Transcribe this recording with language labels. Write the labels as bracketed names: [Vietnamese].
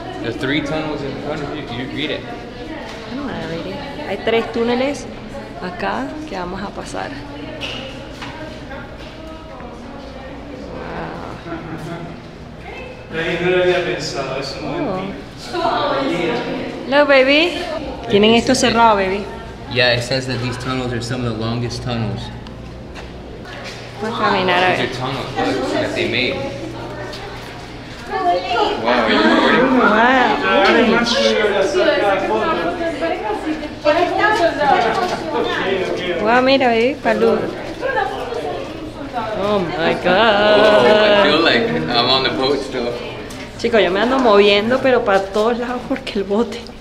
[English] The three tunnels in front of you, do you read it? No, I don't read it. [Spanish] Hay tres túneles acá que vamos a pasar. [English] Hello, [Spanish] baby. Tienen esto cerrado, baby. [English] Yeah, it says that these tunnels are some of the longest tunnels. [Spanish] Vamos a caminar a ver. [English] These are tunnels that they made. Wow, are you recording? Wow. Wow, mira, baby, palo. Oh my god. I feel like I'm on the boat still. [Spanish] Chicos, yo me ando moviendo, pero para todos lados, porque el bote.